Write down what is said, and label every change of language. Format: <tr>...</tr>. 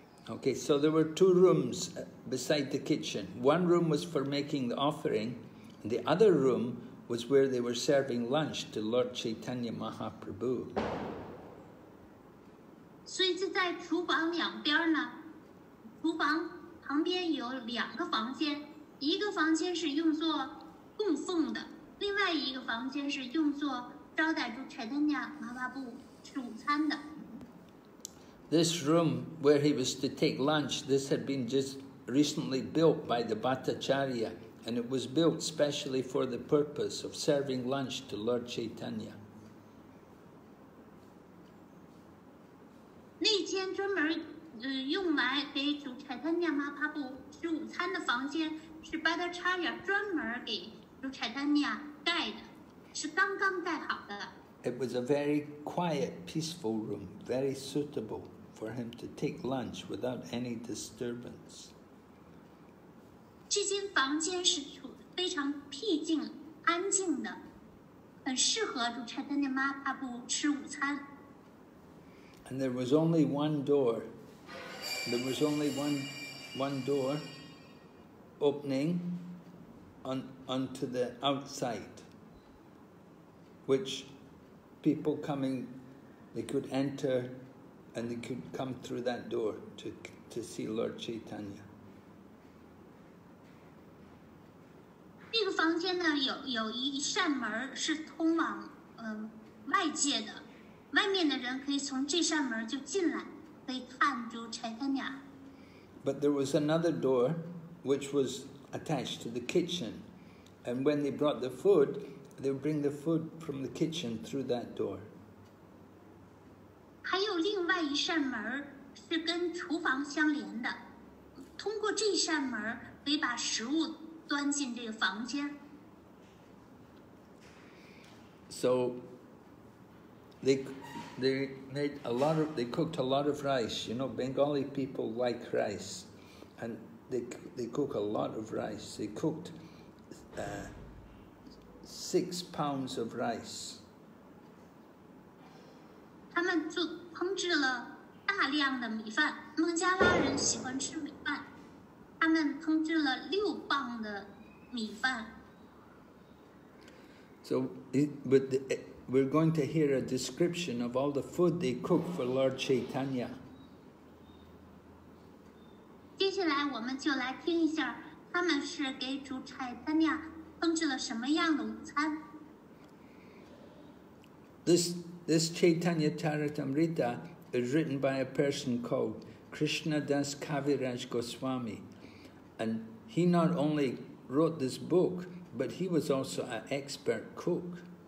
<en>Okay, so there were two rooms beside the kitchen. One room was for making the offering, and the other room was where they were serving lunch to Lord Chaitanya Mahaprabhu. So it's in the kitchen, the kitchen next to the kitchen, there are two rooms. One room is used for</en> <zh>供奉的。另外一个房间是用作招待住柴丹尼马巴布吃午餐的。</zh> <en>This room where he was to take lunch, this had been just recently built by the Bhattacharya, and it was built specially for the purpose of serving lunch to Lord Chaitanya.</en> <zh>那间专门用来给主柴丹尼马巴布吃午餐的房间，是 Bhattacharya 专门给主柴丹尼盖的，是刚刚盖好的。</zh> <en>It was a very quiet, peaceful room, very suitable for him to take lunch without any disturbance.</en> <zh>这间房间是非常僻静、安静的，很适合主柴丹尼马巴布吃午餐。</zh> <en>And there was only one door. There was only one door opening onto the outside, which people coming, they could enter and they could come through that door to see Lord Chaitanya.</en> <zh>那个房间呢，有一扇门是通往外界的，外面的人可以从这扇门就进来，可以看住柴太娘。</zh> <en>But there was another door, which was attached to the kitchen, and when they brought the food, they would bring the food from the kitchen through that door.</en> <zh>还有另外一扇门是跟厨房相连的，通过这扇门可以把食物端进这个房间。</zh> <en>So they made a lot of, they cooked a lot of rice. You know, Bengali people like rice, and they cook a lot of rice. They cooked 6 pounds of rice.</en> <zh>他们就烹制了大量的米饭。孟加拉人喜欢吃米饭，他们烹制了6磅的米饭。</zh> <en>So, we're going to hear a description of all the food they cook for Lord Chaitanya.</en> <zh>接下来我们就来听一下，他们是给主柴塔尼亚烹制了什么样的午餐。</zh> <en>This Chaitanya Charitamrita is written by a person called Krishna Das Kaviraj Goswami, and he not only wrote this book. But he was also an expert cook.</en>